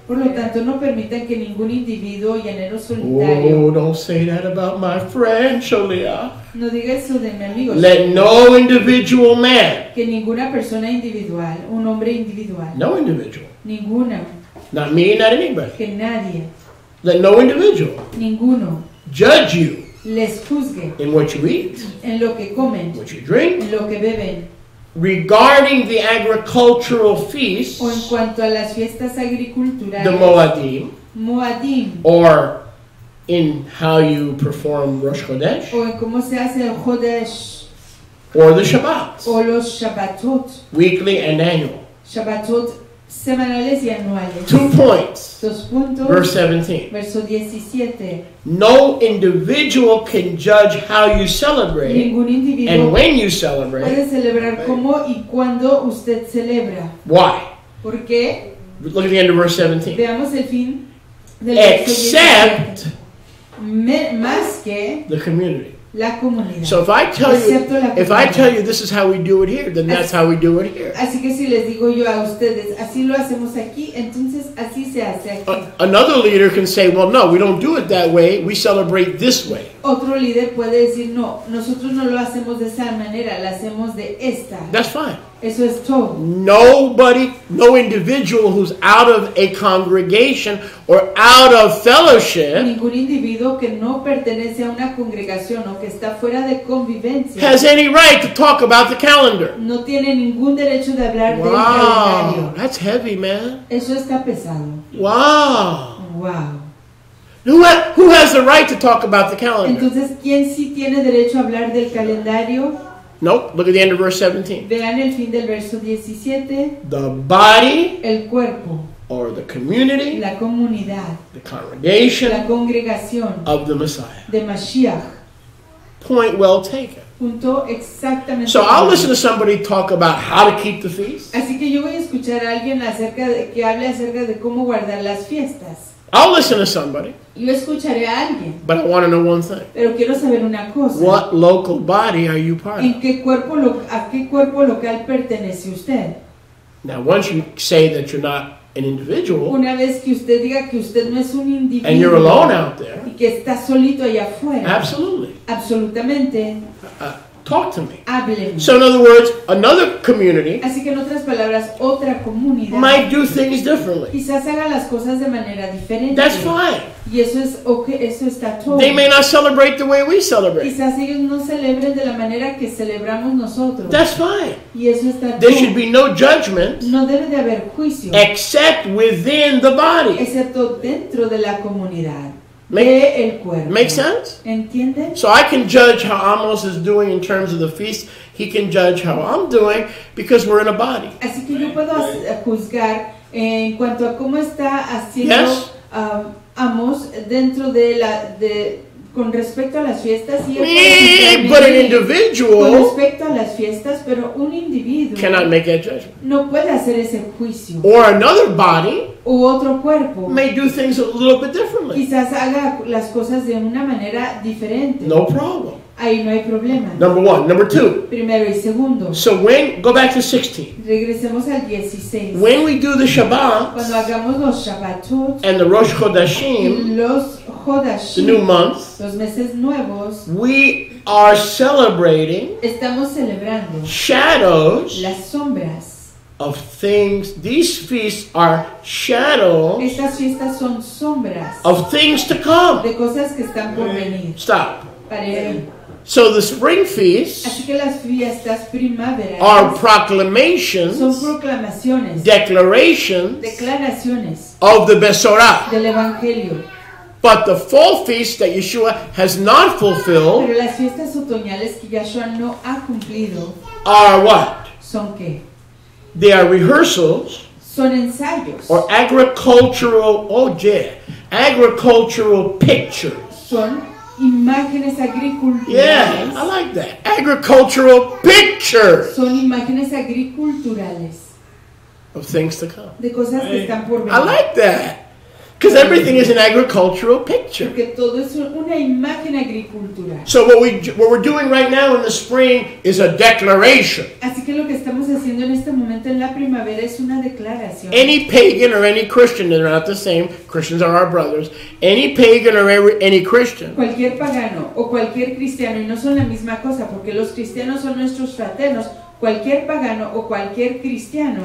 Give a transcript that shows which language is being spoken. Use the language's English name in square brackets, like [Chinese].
[Spanish] Por lo tanto, no permitan que ningún individuo llanero solitario. [English] Oh, don't say that about my friend, Sholia. [Spanish] No diga eso de mi amigo. [English] Let no individual man. [Spanish] Que ninguna persona individual, un hombre individual. [English] No individual. [Spanish] Ninguna. [English] Not me, not anybody. [Spanish] Que nadie. [English] Let no individual. [Spanish] Ninguno. [English] Judge you. [Spanish] Les juzgue. [English] In what you eat. [Spanish] En lo que comen. [English] What you drink. [Spanish] En lo que beben. [English] Regarding the agricultural feasts, [Spanish] o en cuanto a las fiestas agriculturales, [English] the Moadim, [Hebrew] Moadim, [English] or in how you perform Rosh Chodesh, [Spanish] o en cómo se hace el Chodesh, [English] or the Shabbats, [Spanish] o los Shabbatot, [English] weekly and annual, [Spanish] Shabbatot semanales y anuales. [English] 2 points. [Spanish] 2 puntos. [English] Verse 17. [Spanish] Verso 17. [English] No individual can judge how you celebrate. [Spanish] Ningún individuo. [English] And when you celebrate. [Spanish] Puede celebrar cómo y cuándo usted celebra. [English] Why? [Spanish] ¿Por qué? [English] Look at the end of verse 17. [Spanish] Veamos el fin del [English] except [Spanish] más que [English] the community. [Spanish] La comunidad. [English] So if I tell you, if I tell you this is how we do it here, then that's how we do it here. [Spanish] Así que si les digo yo a ustedes, así lo hacemos aquí, entonces así se hace aquí. [English] Another leader can say, well, no, we don't do it that way. We celebrate this way. [Spanish] Otro líder puede decir, no, nosotros no lo hacemos de esa manera, lo hacemos de esta. [English] That's fine. [Spanish] Eso es todo. [English] Nobody, no individual who's out of a congregation or out of fellowship, [Spanish] ningún individuo que no pertenece a una congregación o que está fuera de convivencia, [English] has any right to talk about the calendar. [Spanish] No tiene ningún derecho de hablar [English] wow, [Spanish] del calendario. [English] Wow, that's heavy, man. [Spanish] Eso está pesado. [English] Wow. Wow. Who has the right to talk about the calendar? [Spanish] Entonces, ¿quién sí tiene derecho a hablar del calendario? [English] Nope, look at the end of verse 17. [Spanish] Vean el fin del verso 17. [English] The body, [Spanish] el cuerpo, [English] or the community, [Spanish] la comunidad, [English] the congregation, [Spanish] la congregación, [English] of the Messiah. [Spanish] De Mashiach. [English] Point well taken. [Spanish] Punto exactamente. [English] So I'll listen to somebody talk about how to keep the feast. [Spanish] Así que yo voy a escuchar a alguien acerca de, que hable acerca de cómo guardar las fiestas. [English] I'll listen to somebody. [Spanish] Yo escucharé a alguien. [English] But I want to know one thing. [Spanish] Pero quiero saber una cosa. [English] What local body are you part of? [Spanish] ¿En qué cuerpo a qué cuerpo local pertenece usted? [English] Now, once you say that you're not an individual, [Spanish] una vez que usted diga que usted no es un individuo, [English] and you're alone out there, [Spanish] y que está solito allá afuera, [English] absolutely. [Spanish] Absolutamente. [English] talk to me. [Spanish] Hábleme. [English] So in other words, another community, [Spanish] así que en otras palabras, otra comunidad, [English] might do things differently. [Spanish] Quizás haga las cosas de manera diferente. [English] That's fine. [Spanish] Y eso es okay, eso está todo. [English] They may not celebrate the way we celebrate. [Spanish] Quizás ellos no celebren de la manera que celebramos nosotros. [English] That's fine. [Spanish] Y eso está todo. [English] There should be no judgment. [Spanish] No debe de haber juicio. [English] Except within the body. [Spanish] Excepto dentro de la comunidad. [English] Make sense? [Spanish] ¿Entienden? [English] So I can judge how Amos is doing in terms of the feast. He can judge how I'm doing because we're in a body. [Spanish] Así que yo puedo juzgar en cuanto a cómo está haciendo [English] yes? [Spanish] Amos dentro de la de con respecto a las fiestas. Y [English] but an individual [Spanish] con respecto a las fiestas, pero un individuo [English] cannot make that judgment. [Spanish] No puede hacer ese juicio. [English] Or another body [Spanish] u otro cuerpo [English] may do things a little bit differently. [Spanish] Quizás haga las cosas de una manera diferente. [English] No problem. [Spanish] Ahí no hay problema. [English] Number one. Number two. [Spanish] Primero y segundo. [English] So when, go back to 16. [Spanish] Regresemos al 16. [English] When we do the Shabbat, [Spanish] cuando hagamos los Shabbatot, [English] and the Rosh Chodashim, [Spanish] los Chodashim, [English] the new months, [Spanish] los meses nuevos, [English] we are celebrating, [Spanish] estamos celebrando, [English] shadows, [Spanish] las sombras, [English] of things, these feasts are shadows. [Spanish] Estas fiestas son sombras [English] of things to come. [Spanish] De cosas que están por venir. [English] Stop. So the spring feasts [Spanish] así que las fiestas primaverales [English] are proclamations, [Spanish] son proclamaciones, [English] declarations, [Spanish] declaraciones [English] of the Besorah, [Spanish] del Evangelio. [English] But the fall feast that Yeshua has not fulfilled, [Spanish] pero las fiestas otoñales que Yeshua no ha cumplido, [English] are what? [Spanish] Son qué? [English] They are rehearsals, [Spanish] son ensayos, [English] or agricultural, agricultural pictures. [Spanish] Son imágenes agriculturales. [English] Yeah, I like that. Agricultural pictures. [Spanish] Son imágenes agriculturales. [English] Of things to come. [Spanish] De cosas [English] right. [Spanish] Que están por venir. [English] I like that. Because everything is an agricultural picture. [Spanish] Porque todo es una imagen agricultural. [English] So what we're doing right now in the spring is a declaration. [Spanish] Así que lo que estamos haciendo en este momento en la primavera es una declaración. [English] Any pagan or any Christian, they're not the same. Christians are our brothers. Any pagan or any Christian. [Spanish] Cualquier pagano o cualquier cristiano y no son la misma cosa porque los cristianos son nuestros fraternos. Cualquier pagano o cualquier cristiano